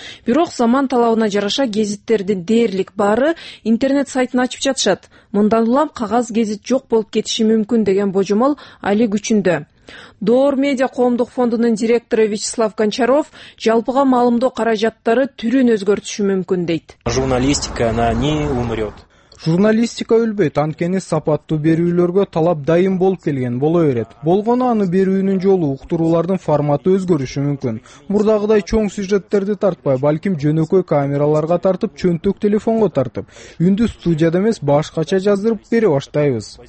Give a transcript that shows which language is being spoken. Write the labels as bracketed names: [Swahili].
[Kyrgyz] Бирок заман талабына жараша гезиттердин дээрлик баары интернет сайтын ачып жатышат. Мындан улам кагаз гезит жок болуп кетиши мүмкүн деген божомол али күчүндө. Доор медиа коомдук фондунун директору Вячеслав Гончаров жалпыга маалымдоо каражаттары түрүн өзгөртүшү мүмкүн дейт. [Russian] Журналистика она не умрет. [Kyrgyz] Журналистика өлбөйт, анткени сапаттуу берүүлөргө талап дайым болуп келген боло берет. Болгону аны берүүнүн жолу уктуруулардын форматы өзгөрүшү мүмкүн. Мурдагыдай чоң сюжеттерди тартпай, балким жөнөкөй камераларга тартып, чөнтөк телефонго тартып, үндү студияда эмес башкача жаздырып бере баштайбыз.